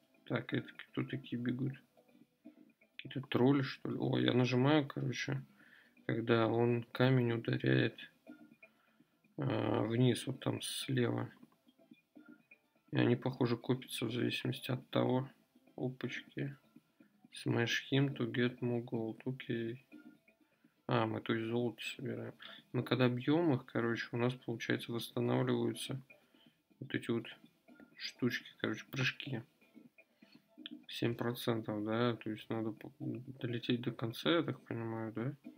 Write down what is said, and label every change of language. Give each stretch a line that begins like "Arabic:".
Russian: Так, это кто такие бегут? Какие-то тролли, что ли? О, я нажимаю, короче, когда он камень ударяет вниз, вот там слева. И они, похоже, копятся в зависимости от того. Опачки.
English: Smash him to get more gold.
Russian: Окей. А, мы то есть золото собираем. Мы когда бьем их, короче, у нас, получается, восстанавливаются вот эти вот штучки, короче, прыжки. 7%, да? То есть надо долететь до конца, я так понимаю, да?